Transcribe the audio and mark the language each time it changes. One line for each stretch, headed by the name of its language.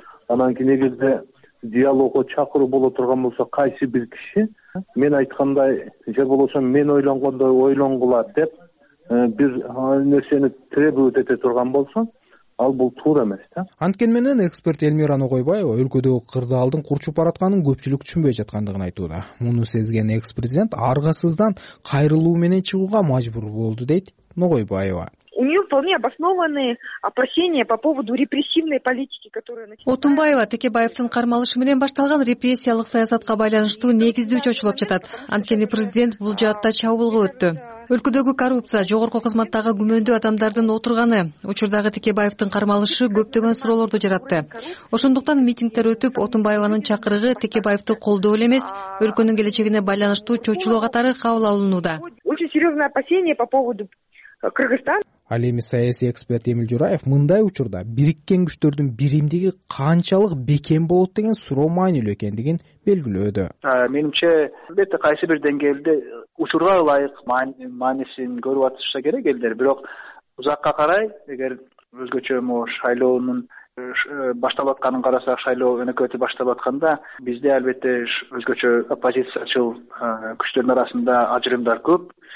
Kyrgyz: Анан кийин эгерде диалогго чакыруу боло турган болсо кайсы бир киши мен айткандай же болбосо мен ойлонгондой ойлонгула деп бир нерсени требует эте турган болсо ал бул туура эмес да. Анткени менен эксперт Элмира Ногойбаева өлкөдөгү кырдаалдын курчуп баратканын көпчүлүк түшүнбөй жаткандыгын айтууда. Муну сезген экс президент аргасыздан кайрылуу менен чыгууга мажбур болду дейт Ногойбаева.
Russian: У нее вполне обоснованные опасения по поводу репрессивной политики, которая начинается.
Kyrgyz: Отунбаева Текебаевдин кармалышы менен башталган репрессиялык саясатка байланыштуу негиздүү чочулуп жатат. Анткени президент бул жаатта чабуулга өттү. Өлкөдөгү коррупция, жогорку кызматтагы күмөндүү адамдардын отурганы, учурдагы Текебаевдин кармалышы көптөгөн суроолорду жаратты. Ошондуктан митингдер өтүп, Отунбаеванын чакырыгы Текебаевди колдоо эмес, өлкөнүн келечегине байланыштуу чочулуу катары кабыл алынууда.
Russian: Очень серьезное опасение по поводу Кыргызстан.
Kyrgyz: Ал эми саясий эксперт Эмил Жураев мындай учурда бириккен күчтөрдүн биримдиги канчалык бекем болот деген суроо маанилүү экендигин белгилөөдө. Менимче албетте кайсы бир деңгээлде учурга ылайык маанисин көрүп атышса керек элдер, бирок узакка карай эгер өзгөчө шайлоонун башталып атканын карасак, шайлоо өнөкөтү башталып атканда бизде албетте өзгөчө оппозициячыл күчтөрдүн арасында ажырымдар көп.